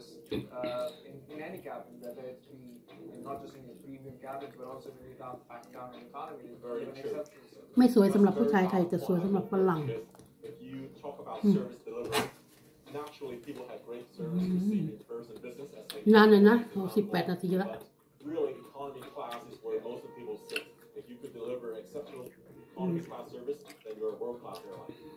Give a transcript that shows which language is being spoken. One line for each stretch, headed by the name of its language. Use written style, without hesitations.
English: In any cabin, whether it be not just in the premium cabin, but also in the down in economy, is very exceptional.
Thai: ไม่สวยสำหรับผู้ชายไทยแต่สวยสำหรับฝรั่ง
English: If you talk about service delivery, naturally people have great service receiving in terms of business.
Thai: นั่นนะ 18 นาทีละ
English: Really, economy class is where most of people sit. If you could deliver exceptional economy class service, then you're a world class airline.